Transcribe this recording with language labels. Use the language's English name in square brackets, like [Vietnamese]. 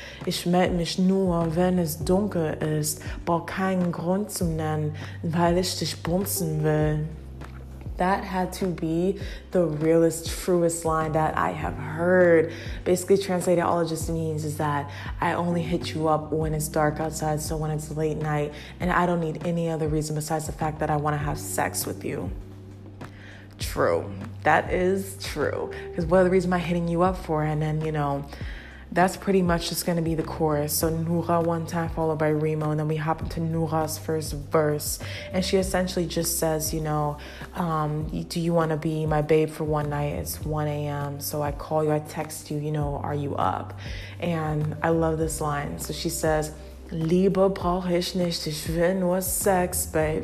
[German] Ich meld mich nur, wenn es dunkel ist. Brauch keinen Grund zu nennen, weil ich dich bumsen will. [English] That had to be the realest, truest line that I have heard. Basically translated, all it just means is that I only hit you up when it's dark outside, so when it's late night, and I don't need any other reason besides the fact that I want to have sex with you. True. That is true. Because what other reason am I hitting you up for? And then, you know, that's pretty much just going to be the chorus. So Nura one time, followed by Remoe, and then we hop into Nura's first verse. And she essentially just says, you know, do you want to be my babe for one night? It's 1 a.m. So I call you, I text you, you know, are you up? And I love this line. So she says, [German] Liebe brauch ich nicht, ich will nur Sex, babe.